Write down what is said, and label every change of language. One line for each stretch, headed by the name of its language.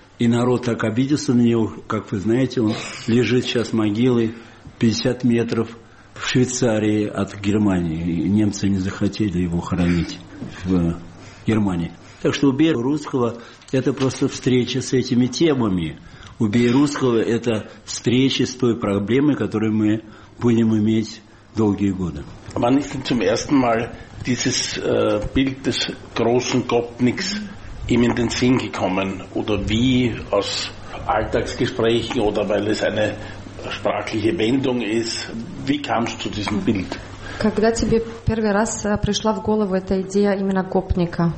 Russian: И народ так обиделся на него, как вы знаете, он лежит сейчас могилой 50 метров в Швейцарии от Германии. И немцы не захотели его хоронить в Германии. Так что «Убей русского» – это просто встреча с этими темами. «Убей русского» – это встреча с той проблемой, которую мы будем иметь долгие годы.
German: Wann ist denn zum ersten Mal dieses Bild des großen Gopniks ihm in den Sinn gekommen? Oder wie aus Alltagsgesprächen oder weil es eine sprachliche Wendung ist? Wie kamst du zu diesem Bild?
Russian: Когда тебе первый раз пришла в голову эта идея именно гопника?